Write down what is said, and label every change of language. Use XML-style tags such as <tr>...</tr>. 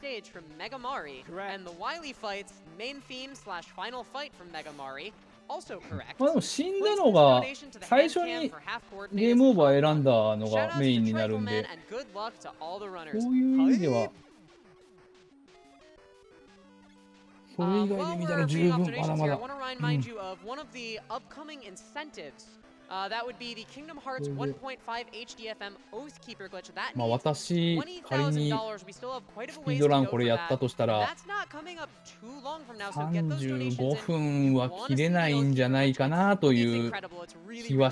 <en>Stage from Mega Mari, and the Wily fight's main theme slash final fight from Mega Mari, also correct.</en> <ja>まあでも死んだのが最初にゲームオーバー選んだのがメインになるんで、こういう意味では、それ以外で見たら十分、まだまだ。</ja> <en>That would be the Kingdom Hearts 1.5 HDFM Oath Keeper glitch. That means $20,000. We still have quite a ways to go for that. That's not coming up too long from now. So get those donations in. You want to see those donations? It's incredible. It's really, really cool.</en>